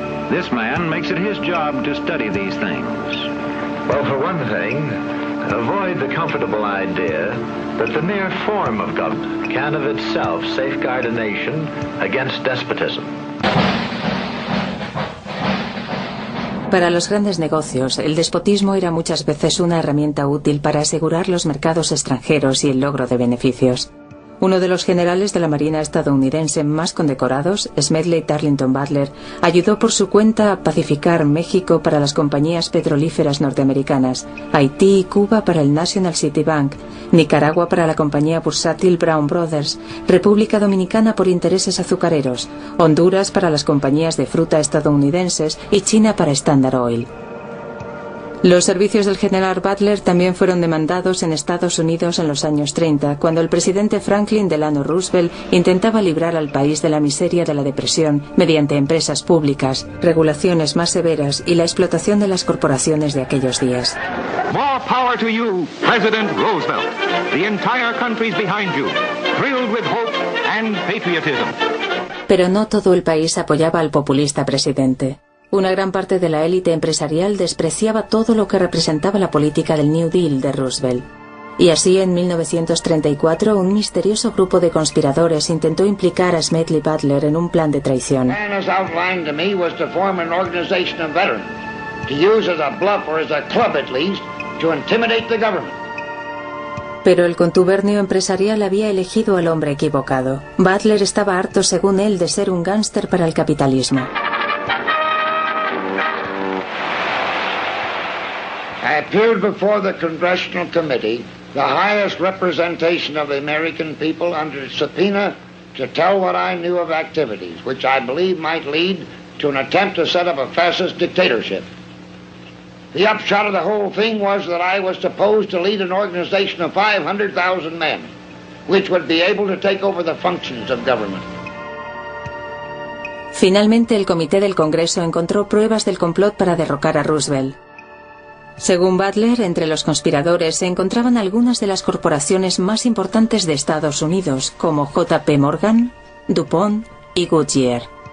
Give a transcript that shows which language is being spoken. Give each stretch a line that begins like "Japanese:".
English: This man makes it his job to study these things. Well, for one thing, avoid the comfortable idea that the mere form of government can of itself safeguard a nation against despotism.
Spanish: Para los grandes negocios, el despotismo era muchas veces una herramienta útil para asegurar los mercados extranjeros y el logro de beneficios. Uno de los generales de la Marina estadounidense más condecorados, Smedley Darlington Butler, ayudó por su cuenta a pacificar México para las compañías petrolíferas norteamericanas, Haití y Cuba para el National City Bank, Nicaragua para la compañía bursátil Brown Brothers, República Dominicana por intereses azucareros, Honduras para las compañías de fruta estadounidenses y China para Standard Oil. Los servicios del general Butler también fueron demandados en Estados Unidos en los años 30, cuando el presidente Franklin Delano Roosevelt intentaba librar al país de la miseria de la depresión mediante empresas públicas, regulaciones más severas y la explotación de las corporaciones de aquellos días.
English: More power to you, President Roosevelt. The entire country's behind you, thrilled with hope and patriotism.
Spanish: Pero no todo el país apoyaba al populista presidente. Una gran parte de la élite empresarial despreciaba todo lo que representaba la política del New Deal de Roosevelt. Y así, en 1934, un misterioso grupo de conspiradores intentó implicar a Smedley Butler en un plan de traición. El plan, como
English: outlined to me, was to form an organization of veterans, to use as a bluff or as a club at least, to intimidate the government.
Spanish: Pero el contubernio empresarial había elegido al hombre equivocado. Butler estaba harto, según él, de ser un gánster para el capitalismo.
English: I appeared before the Congressional Committee, the highest representation of the American people, under subpoena to tell what I knew of activities which I believe might lead to an attempt to set up a fascist dictatorship. The upshot of the whole thing was that I was supposed to lead an organization of 500,000 men, which would be able to take over the functions of government.
Spanish: Finalmente, el Comité del Congreso encontró pruebas del complot para derrocar a Roosevelt. Según Butler, entre los conspiradores se encontraban algunas de las corporaciones más importantes de Estados Unidos, como J.P. Morgan, DuPont y Goodyear.